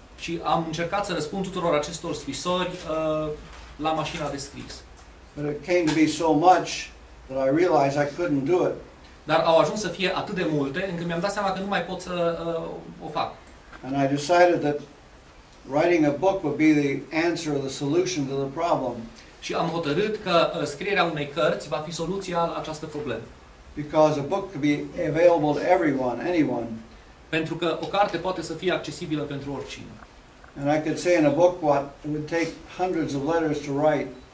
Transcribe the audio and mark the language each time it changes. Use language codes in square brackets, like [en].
[ro] Și am încercat să răspund tuturor acestor scrisori la mașina de scris. [en] But it came to be so much that I realized I couldn't do it. [ro] Dar au ajuns să fie atât de multe încât mi-am dat seama că nu mai pot să o fac. [en] And I decided that writing a book would be the answer or the solution to the problem. [ro] Și am hotărât că scrierea unei cărți va fi soluția la această problemă. [en] Because a book could be available to everyone, anyone. [ro] Pentru că o carte poate să fie accesibilă pentru oricine. [en] And I could say in a book what it would take hundreds of letters to write.